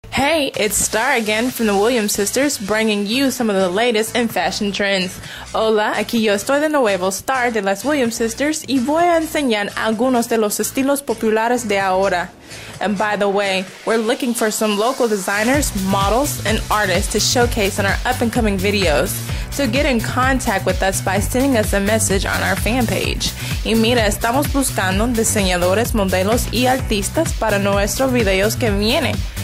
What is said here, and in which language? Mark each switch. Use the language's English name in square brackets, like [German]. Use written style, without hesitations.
[English] Hey, it's Star again from the Williams Sisters, bringing you some of the latest in fashion trends. [Spanish] Hola, aquí yo estoy de nuevo, Star de las Williams Sisters, y voy a enseñar algunos de los estilos populares de ahora. [English] And by the way, we're looking for some local designers, models, and artists to showcase in our up-and-coming videos. So get in contact with us by sending us a message on our fan page. [Spanish] Y mira, estamos buscando diseñadores, modelos, y artistas para nuestros videos que vienen.